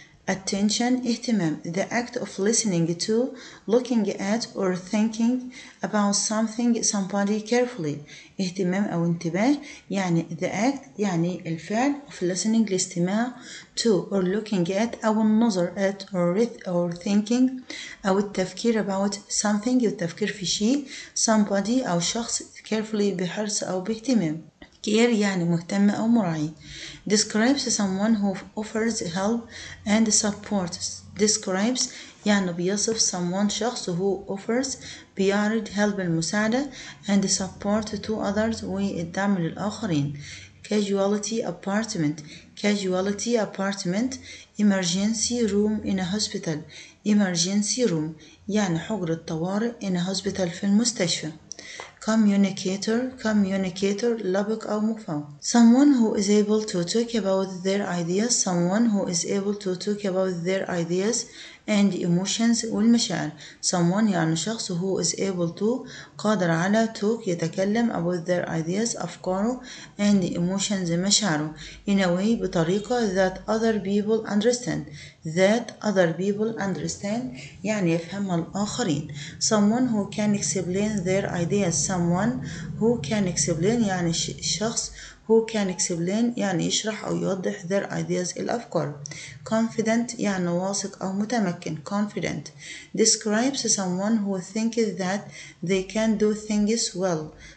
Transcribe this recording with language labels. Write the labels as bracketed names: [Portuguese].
[English] Attention اهتمام the act of listening to, looking at or thinking about something somebody carefully. [Arabic] اهتمام أو انتباه يعني [English] the act [Arabic] يعني الفعل [English] of listening [Arabic] الاستماع to [English] or looking at [Arabic] أو النظر [English] at or thinking [Arabic] أو التفكير [English] about something [Arabic] التفكير في شيء somebody أو شخص carefully بحرص أو باهتمام. [English] Care [Arabic] يعني مهتم أو مراعي. [English] Describes someone who offers help and support. Describes [Arabic] يعني بيصف [English] someone شخص who offers بيعرض help المساعدة and support to others [Arabic] والدعم للآخرين. [English] Casualty apartment. Casualty apartment. Emergency room in a hospital. Emergency room [Arabic] يعني حجر الطوارئ [English] in a hospital [Arabic] في المستشفى. [English] Communicator, communicator, [Arabic] لبق أو مفهوم. [English] Someone who is able to talk about their ideas, someone who is able to talk about their ideas and emotions والمشاعر. Someone [Arabic] يعني شخص [English] who is able to [Arabic] قادر على [English] talk يتكلم about their ideas أفكاره and emotions مشاعره in a way بطريقة that other people understand. That other people understand [Arabic] يعني يفهمها الآخرين. [English] Someone who can explain their ideas. Someone who can explain [Arabic] يعني شخص [English] who can explain [Arabic] يعني يشرح أو يوضح [English] their ideas الأفكار. Confident [Arabic] يعني واثق أو متمكن. [English] Confident describes someone who thinks that they can do things well.